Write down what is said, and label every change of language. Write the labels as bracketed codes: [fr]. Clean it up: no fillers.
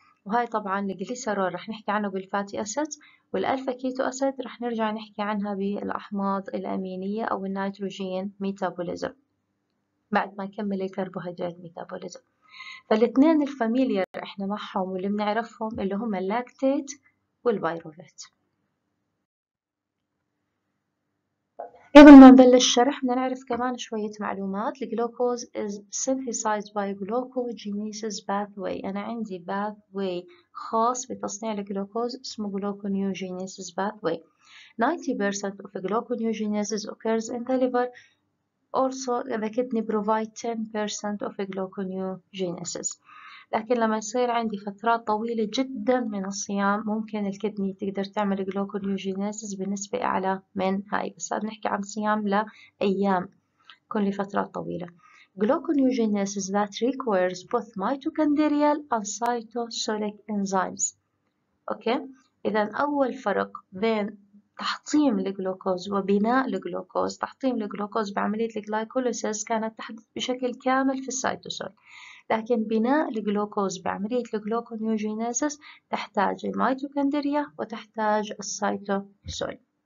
[ar] وهاي طبعا الجليسرول رح نحكي عنه بالفاتي اسيدز، والالفا كيتو اسيد رح نرجع نحكي عنها بالاحماض الامينيه او النيتروجين ميتابوليزم بعد ما نكمل الكربوهيدرات ميتابوليزم. فالاثنين الفاميليار احنا معهم واللي بنعرفهم اللي هم اللاكتيت والبايروفيت. قبل ما نبلش الشرح بدنا نعرف كمان شوية معلومات. [en] الجلوكوز is synthesized by glucogenesis pathway. [ar] أنا عندي pathway خاص بتصنيع الجلوكوز اسمه glucogenesis pathway. [en] 90% of glucogenesis occurs in the liver. Also the kidney provide 10% of glucogenesis. [ar] لكن لما يصير عندي فترات طويلة جدا من الصيام ممكن الكدني تقدر تعمل جلوكونيوجينيسيس بنسبة أعلى من هاي، بس هذا نحكي عن صيام لأيام كل لفترة طويلة. [en] Gluconeogenesis that requires both mitochondrial and cytosolic enzymes. [ar] أوكي؟ إذا أول فرق بين تحطيم الجلوكوز وبناء الجلوكوز، تحطيم الجلوكوز بعملية الجلايكوليسيس كانت تحدث بشكل كامل في السيتوسول، لكن بناء الجلوكوز بعملية الجلوكونيوجينيسيس تحتاج الميتوكوندريا وتحتاج السيتوسول.